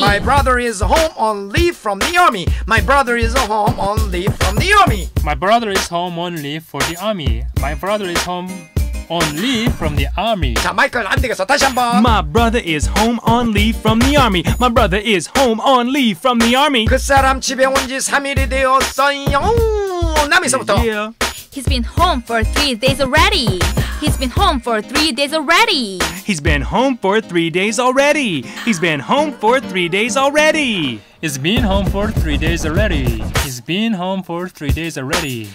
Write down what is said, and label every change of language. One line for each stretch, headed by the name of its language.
English: My brother is home on leave from the army. My brother is home on leave from the army. My brother is home on leave for the army. My brother is home on leave from the army.
Korean: 자, 마이클 안 되겠어. 다시 한번.
English: My brother is home on leave from the army. My brother is home on leave from the army.
Korean: 그 사람 집에 온 지 3일이 되었어요. 남이서부터.
English: He's been home for 3 days already. He's been home for 3 days already. He's been home for 3 days already. He's been home for 3 days already. He's been home for 3 days already. He's been home for 3 days already.